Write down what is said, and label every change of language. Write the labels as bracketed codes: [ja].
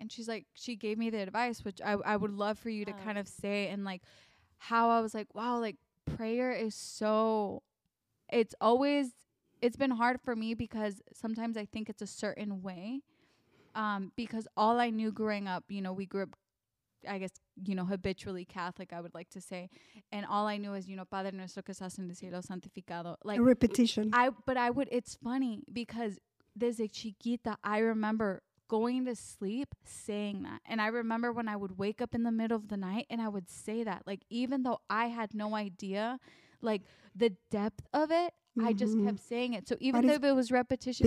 [en] And she's like, she gave me the advice, which I would love for you to kind of say, and like how I was like, wow, like prayer is so, it's been hard for me because sometimes I think it's a certain way. Because all I knew growing up, you know, we grew up, I guess, you know, habitually Catholic, I would like to say. And all I knew is, you know, [es] Padre nuestro que estás en el cielo santificado. [en] Like a repetition. It's funny because [es] desde chiquita, [en] I remember going to sleep saying that. And I remember when I would wake up in the middle of the night and I would say that. Like, even though I had no idea, like, the depth of it, I just kept saying it. So even though it was repetition,